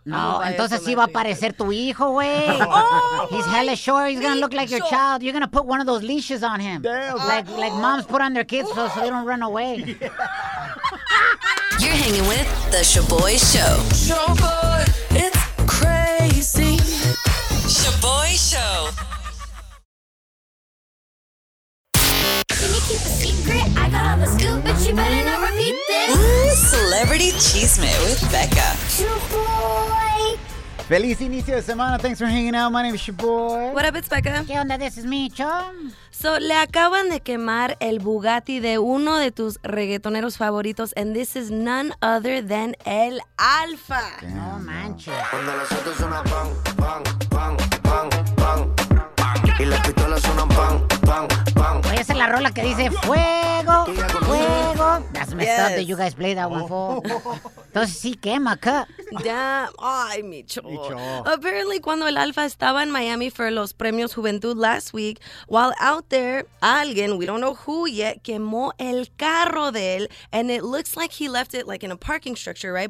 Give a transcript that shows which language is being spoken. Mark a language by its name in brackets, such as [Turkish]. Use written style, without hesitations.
[Spanish] No, entonces sí va a aparecer tu hijo, güey. [English] He's hella short. He's going to look like your child. You're going to put one of those leashes on him. Damn. Like moms put on their kids so they don't run away. Yeah. You're hanging with The Shaboy Show. Shaboy, it's crazy. Shaboy Show. Secret, I got all the scoop, but you better not repeat this. Ooh, celebrity chisme with Becca. Shaboy. [Spanish] Feliz inicio de semana. [English] Thanks for hanging out. My name is your boy. What up, it's Becca. [Spanish] ¿Qué onda? [English] This is Micho. [Spanish] So, le acaban de quemar el Bugatti de uno de tus reggaetoneros favoritos, [English] and this is none other than [Spanish] El Alfa. No manches. Cuando las otras suenan bang, bang, bang, bang, bang, bang, y las pistolas suenan bang, bang, bang. Oye, esa es la rola que dice fuego, fuego. [English] That's messed up that you guys played that one for. [Spanish] Entonces sí quema, ¿qué? [English] Damn. Ay, Micho. Apparently, [Spanish] cuando el Alfa estaba en Miami [English] for [Spanish] los premios Juventud [English] last week, while out there, [Spanish] alguien, [English] we don't know who yet, [Spanish] quemó el carro de él, [English] and it looks like he left it like in a parking structure, right?